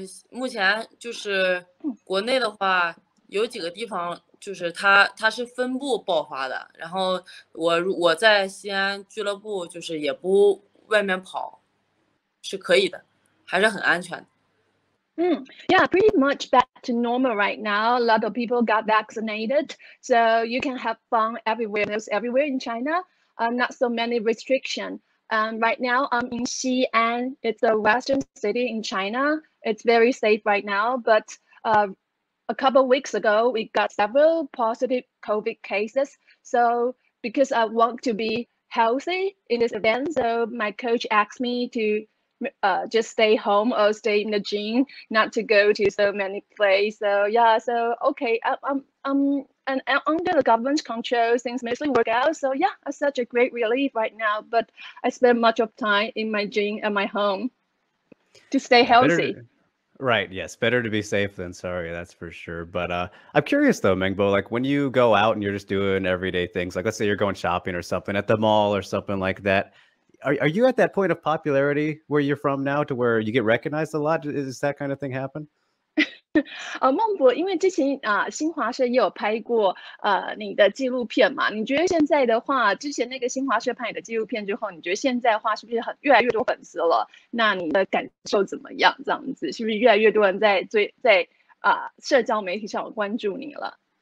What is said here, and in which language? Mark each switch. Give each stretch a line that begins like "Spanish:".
Chinese: 目前就是国内的话，有几个地方就是它是分布爆发的。然后我在西安俱乐部就是也不外面跑，是可以的，还是很安全的。
English: Yeah, pretty much back to normal right now. A lot of people got vaccinated, so you can have fun everywhere. There's everywhere in China, not so many restrictions. Right now, I'm in Xi'an. It's a western city in China. It's very safe right now, but a couple of weeks ago, we got several positive COVID cases. So because I want to be healthy in this event, so my coach asked me to... just stay home or stay in the gym, not to go to so many places. So yeah, so okay, I'm and under the government's control, things mostly work out. So yeah, it's such a great relief right now. But I spend much of time in my gym and my home to stay healthy. Right. Yes. Better to be safe than sorry. That's for sure. But I'm curious though, Meng Bo, like when you go out and you're just doing everyday things, like let's say you're going shopping or something at the mall or something like that. Are you at that point of popularity where you're from now to where you get recognized a lot? Does that kind of thing happen?
Chinese: 孟博，因为之前新华社也有拍过你的纪录片嘛，你觉得现在的话，之前那个新华社拍你的纪录片之后，你觉得现在的话是不是很越来越多粉丝了？那你的感受怎么样？这样子是不是越来越多人在追在社交媒体上关注你了？